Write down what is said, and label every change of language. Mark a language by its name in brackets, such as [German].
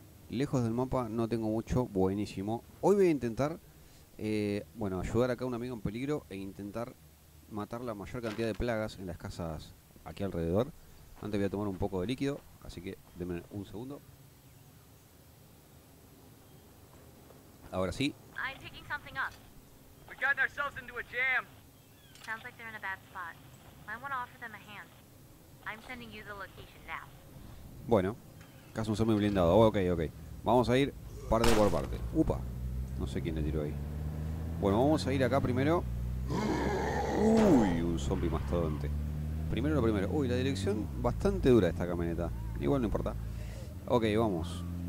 [Spanish] Lejos del mapa no tengo mucho, buenísimo. Hoy voy a intentar ayudar acá a un amigo en peligro e intentar matar la mayor cantidad de plagas en las casas aquí alrededor. Antes voy a tomar un poco de líquido, así que denme un segundo. Ahora sí. [English] I'm picking something up. We got ourselves into a jam. Sounds like they're in a bad spot. I want to offer them a hand. I'm sending you the location now. [Spanish] Bueno. Casa un zombie blindado. Ok. Vamos a ir parte por parte. Upa. No sé quién le tiró ahí. Bueno, vamos a ir acá primero. Uy, un zombie mastodonte. Primero lo primero. Uy, la dirección bastante dura de esta camioneta. Igual no importa. Ok, vamos.